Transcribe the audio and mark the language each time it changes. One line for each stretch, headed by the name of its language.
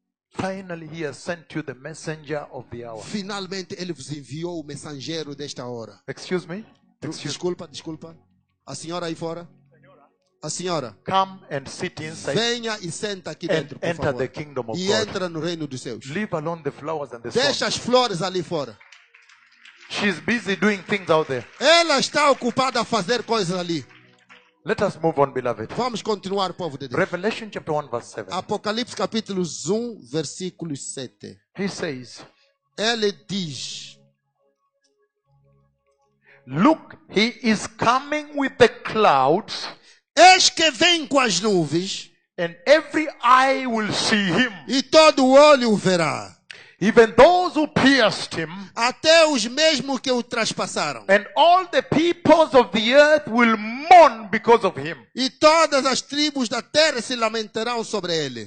English: Finally, he has sent you the messenger of the hour.
Portuguese: Finalmente, ele vos enviou o mensageiro desta hora.
English: Excuse me.
Portuguese: Desculpa. A senhora aí fora. A senhora.
English: Come and sit inside.
Portuguese: Venha e senta aqui
English: and
Portuguese: dentro, por
English: enter
Portuguese: favor.
English: The kingdom of
Portuguese: e
English: God.
Portuguese: E entra no reino dos céus.
English: Leave alone the flowers and the swans.
Portuguese: Deixa as flores ali fora.
English: She's busy doing things out there.
Portuguese: Ela está ocupada a fazer coisas ali.
English: Let us move on, beloved.
Portuguese: Vamos continuar, povo de Deus.
English: Revelation chapter 1 verse 7.
Portuguese: Apocalipse capítulo 1 versículo 7.
English: He says.
Portuguese: Ele diz.
English: Look, he is coming with the clouds.
Portuguese: Eis que vem com as nuvens.
English: And every eye will see him.
Portuguese: E todo olho o verá.
English: Even those who pierced him,
Portuguese: até os mesmo que o traspassaram,
English: and all the peoples of the earth will mourn because of him.
Portuguese: E todas as tribos da terra se lamentarão sobre ele.